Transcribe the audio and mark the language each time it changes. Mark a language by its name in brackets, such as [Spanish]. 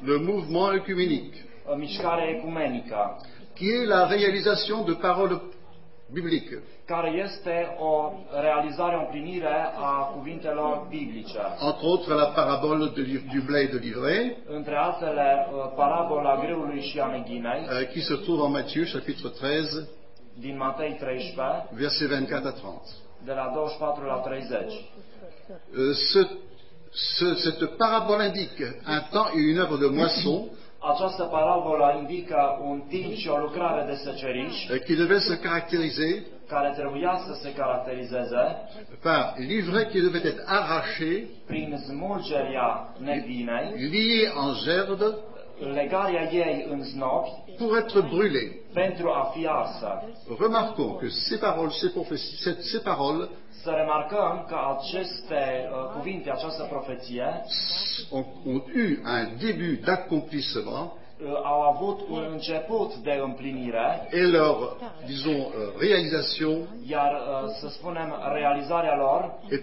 [French] le mouvement œcuménique, [Romanian] o mișcare ecumenică, [French] qui est la réalisation de paroles bibliques, [Romanian] care este o realizare, o împlinire a cuvintelor biblice. [French] Entre autres, la parabole du blé et de l'ivraie. [Romanian] Între altele, parabola greului și a neghinei. [French] Qui se trouve en Matthieu, chapitre 13. [Romanian] Din Matei 13. [French] Versets 24 à 30. [Romanian] De la 24 la 30. [French] Cette parabole indique un temps et une œuvre de moisson. [Romanian] Această parabolă indică un timp și o lucrare de seceriș. [French] Qui devait se caractériser. [Romanian] Care trebuia să se caracterizeze [French] par l'ivraie qui devait être arrachée, [Romanian] prin smulgerea neghinei, [French] liée en gerbe, [Romanian] legarea ei în snopi, [French] pour être brûlée, [Romanian] pentru a fi arsă. [French] Remarquons que ces paroles, ces paroles, [Romanian] să remarcăm că aceste cuvinte, această profeție, [French] ont eu un début d'accomplissement, [Romanian] au avut un început de împlinire, [French] et leur, disons, réalisation, [Romanian] iar, să spunem, realizarea lor,